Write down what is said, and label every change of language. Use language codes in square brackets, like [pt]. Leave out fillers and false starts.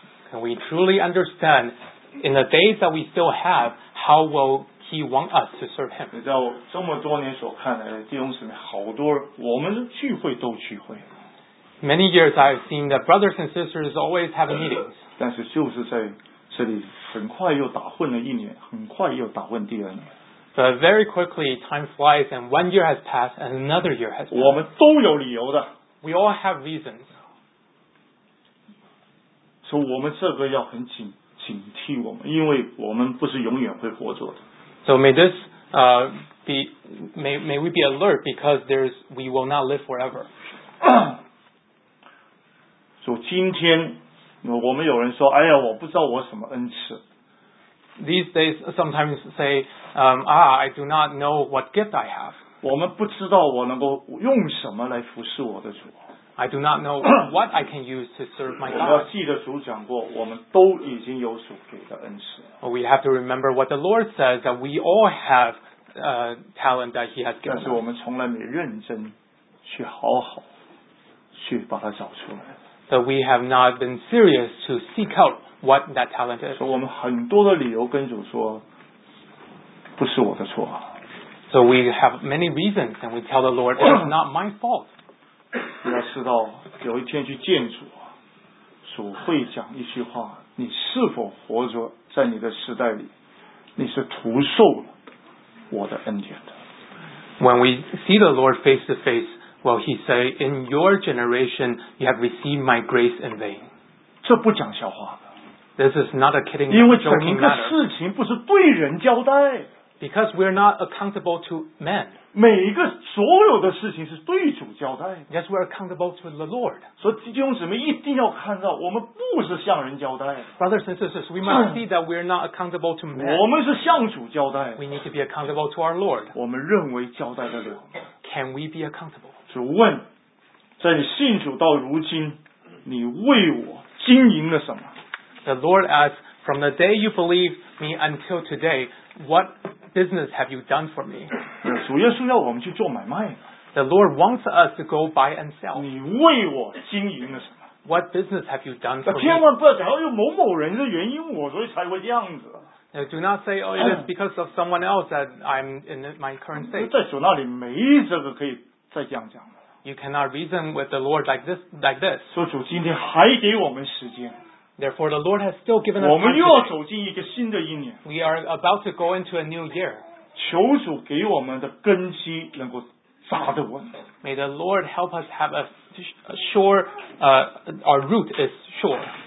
[en] Can we truly understand, in the days that we still have, how will He want us to serve Him. [zh] 你知道，这么多年所看来，弟兄姊妹好多，我们聚会都聚会。 [en] Many years I've seen that brothers and sisters always have meetings. [zh] 但是就是在这里，很快又打混了一年，很快又打混第二年。 [en] But very quickly time flies, and one year has passed, and another year has passed. [zh] 我们都有理由的。 [en] We all have reasons. [zh] 所以我们这个要很警惕我们，因为我们不是永远会活着的。 [en] So may this may we be alert because we will not live forever. [zh] So 今天我们有人说，哎呀，我不知道我什么恩赐。 [en] These days, sometimes say, I do not know what gift I have. [zh] 我们不知道我能够用什么来服侍我的主。 [en] I do not know what I can use to serve my God. [zh] 我们要记得主讲过，我们都已经有主给的恩赐。 [en] We have to remember what the Lord says, that we all have talent that He has given us. [zh] 但是我们从来没认真去好好去把它找出来。 [en] But we have not been serious to seek out what that talent is. [zh] 所以我们很多的理由跟主说，不是我的错。 [en] So we have many reasons, and we tell the Lord, it's not my fault. [zh] 你要知道，有一天去见主，主会讲一句话：你是否活着在你的时代里，你是徒受我的恩典的。 [en] When we see the Lord face to face, well, He say, "In your generation, you have received my grace in vain." [zh] 这不讲笑话的。 [en] This is not a kidding. [zh] 因为整个事情不是对人交代。 [en] Because we're not accountable to men. [zh] 每一个所有的事情是对主交代。 [en] Yes, we're accountable to the Lord. [zh] 所以弟兄姊妹一定要看到，我们不是向人交代。 [en] Brothers and sisters, we must see that we're not accountable to men. [zh] 我们是向主交代。 [en] We need to be accountable to our Lord. [zh] 我们认为交代得了。 [en] Can we be accountable? [zh] 主问，在你信主到如今，你为我经营了什么？ [en] The Lord asks, from the day you believe me until today, what business have you done for me? [zh] 主耶稣要我们去做买卖。 [en] The Lord wants us to go buy and sell. [zh] 你为我经营了什么？ [en] What business have you done for me? [zh] 千万不要讲，哎呦，某某人的原因我所以才会这样子。 [en] Do not say, oh, it is because of someone else that I'm in my current state. [zh] 在主那里没这个可以再这样讲。 [en] You cannot reason with the Lord like this, like this. [zh] 说主今天还给我们时间。 [en] Therefore, the Lord has still given us. [zh] 我们又要走进一个新的一年。 [en] We are about to go into a new year. [zh] 求主给我们的根基能够扎得稳。 [en] May the Lord help us have a sure, our root is sure.